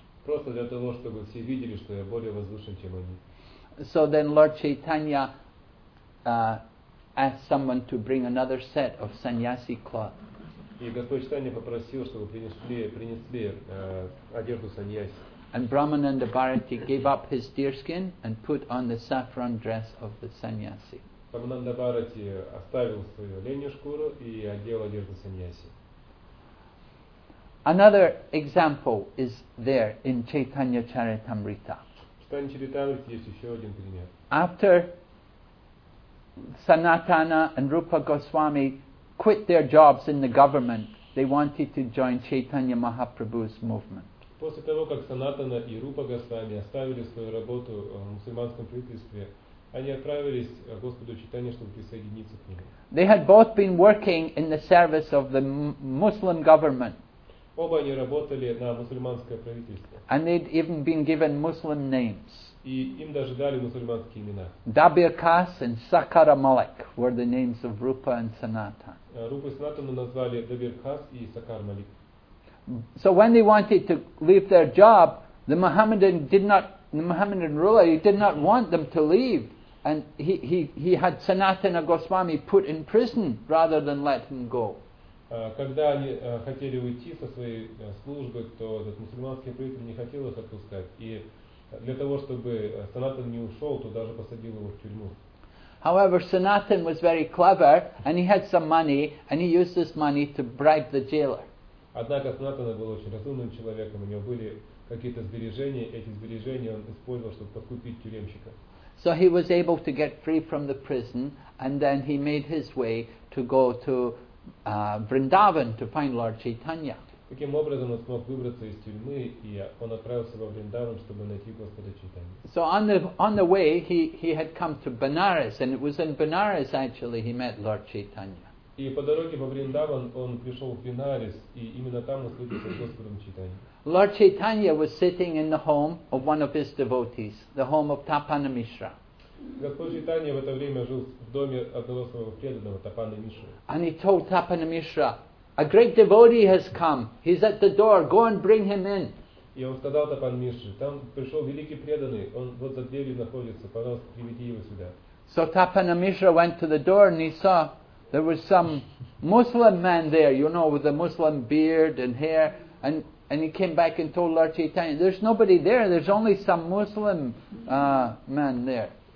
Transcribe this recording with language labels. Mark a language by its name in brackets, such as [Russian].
[Russian] Просто для того, чтобы все видели, что я более возвышен, чем они. [English] So then Lord Chaitanya asked someone to bring another set of sannyasi cloth. [Russian] И Господь Читания попросил, чтобы принесли одежду саньяси. [English] And Brahmananda Bharati gave up his deerskin and put on the saffron dress of the sannyasi. [Russian] Брамананда Бхарати оставил свою оленью шкуру и одел одежду саньяси. [English] Another example is there in Chaitanya Charitamrita. [Russian] В Чайтанья Чаритамрите есть еще один пример. [English] After Sanatana and Rupa Goswami quit their jobs in the government, they wanted to join Chaitanya Mahaprabhu's movement. [Russian] После того, как Санатана и Рупа Госвами оставили свою работу в мусульманском правительстве, они отправились к Господу Чайтанье, чтобы присоединиться к нему. [English] They had both been working in the service of the Muslim government. [Russian] Оба они работали на мусульманское правительство. [English] And they'd even been given Muslim names. [Russian] И им даже дали мусульманские имена. [English] Dabir Khas and Sakara Malik were the names of Rupa and Sanatan. [Russian] Рупу и Санатану назвали Dabir Khas и Sakara Malik. [English] So when they wanted to leave their job, the Muhammadan ruler did not want them to leave, and he had Sanatana Goswami put in prison rather than let him go. [Russian] Когда они хотели уйти со своей службы, то этот мусульманский правитель не хотел их отпускать. И для того, чтобы Санатан не ушел, то даже посадил его в тюрьму. [English] However, Sanatan was very clever, and he had some money, and he used this money to bribe the jailer. [Russian] Однако Санатана был очень разумным человеком, у него были какие-то сбережения, эти сбережения он использовал, чтобы подкупить тюремщика. [English] So he was able to get free from the prison, and then he made his way to go to Vrindavan to find Lord Chaitanya. [Russian] Таким образом, он смог выбраться из тюрьмы, и он отправился во Вриндаван, чтобы найти Господа Чайтанью. [English] So on the way, he had come to Benares, and it was in Benares actually he met Lord Chaitanya. [Russian] И по дороге во Вриндаван он пришел в Бенарес, и именно там он встретился с Господом Чайтаньей. [English] Lord Chaitanya was sitting in the home of one of his devotees, the home of Tapana Mishra. [Russian] Господь Чайтанья в это время жил в доме одного своего преданного, Тапана Мишры. [English] And he told Tapana Mishra, a great devotee has come. He's at the door. Go and bring him in. [Russian] И он сказал Тапан Мишре, там пришел великий преданный, он вот за дверью находится, пожалуйста, приведи его сюда. [English] So Tapana Mishra went to the door and he saw there was some Muslim man there, you know, with a Muslim beard and hair, and he came back and told Lord Chaitanya, there's nobody there, there's only some Muslim man there.